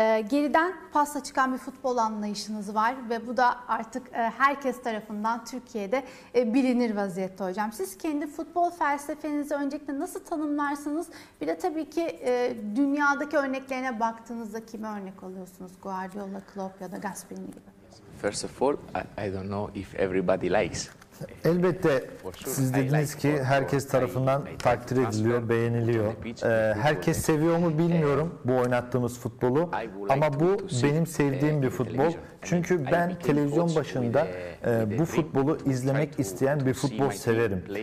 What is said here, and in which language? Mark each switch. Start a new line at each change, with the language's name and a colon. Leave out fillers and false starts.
Turkish: Geriden pasla çıkan bir futbol anlayışınız var ve bu da artık herkes tarafından Türkiye'de bilinir vaziyette hocam. Siz kendi futbol felsefenizi öncelikle nasıl tanımlarsınız? Bir de tabii ki dünyadaki örneklerine baktığınızda kime örnek alıyorsunuz? Guardiola, Klopp ya da Gasperini gibi.
English: First of all, I don't know if everybody likes.
Turkish: Elbette siz dediniz ki herkes tarafından takdir ediliyor, beğeniliyor. Herkes seviyor mu bilmiyorum bu oynattığımız futbolu. Ama bu benim sevdiğim bir futbol. Çünkü ben televizyon başında bu futbolu izlemek isteyen bir futbol severim.